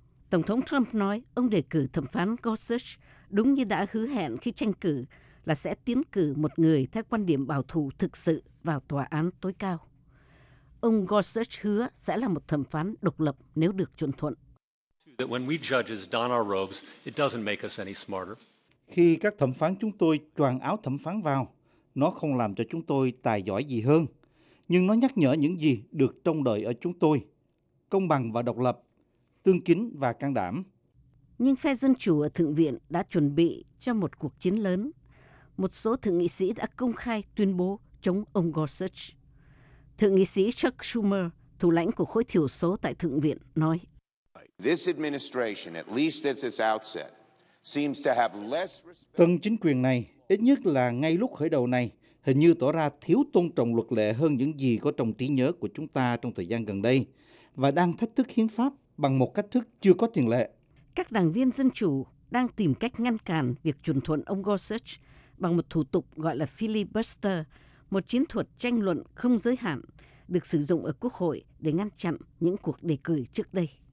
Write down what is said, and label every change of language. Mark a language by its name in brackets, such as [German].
[Vietnamese] Tổng thống Trump nói ông đề cử thẩm phán Gorsuch đúng như đã hứa hẹn khi tranh cử là sẽ tiến cử một người theo quan điểm bảo thủ thực sự vào tòa án tối cao. Ông Gorsuch hứa sẽ là một thẩm phán độc lập nếu được chuẩn thuận. [English] That when we judges don our robes, it doesn't make us any smarter. [Vietnamese] Khi các thẩm phán chúng tôi choàng áo thẩm phán vào, nó không làm cho chúng tôi tài giỏi gì hơn, nhưng nó nhắc nhở những gì được trông đợi ở chúng tôi: công bằng và độc lập, tương kính và can đảm. Nhưng phe Dân Chủ ở Thượng viện đã chuẩn bị cho một cuộc chiến lớn. Một số thượng nghị sĩ đã công khai tuyên bố chống ông Gorsuch. Thượng nghị sĩ Chuck Schumer, thủ lãnh của khối thiểu số tại Thượng viện, nói: [English] This administration, at least at its outset, seems to have less respect. [Vietnamese] Tân chính quyền này, ít nhất là ngay lúc khởi đầu này, hình như tỏ ra thiếu tôn trọng luật lệ hơn những gì có trong trí nhớ của chúng ta trong thời gian gần đây, và đang thách thức hiến pháp bằng một cách thức chưa có tiền lệ. Các đảng viên Dân Chủ đang tìm cách ngăn cản việc chuẩn thuận ông Gorsuch bằng một thủ tục gọi là filibuster, một chiến thuật tranh luận không giới hạn được sử dụng ở Quốc hội để ngăn chặn những cuộc đề cử trước đây.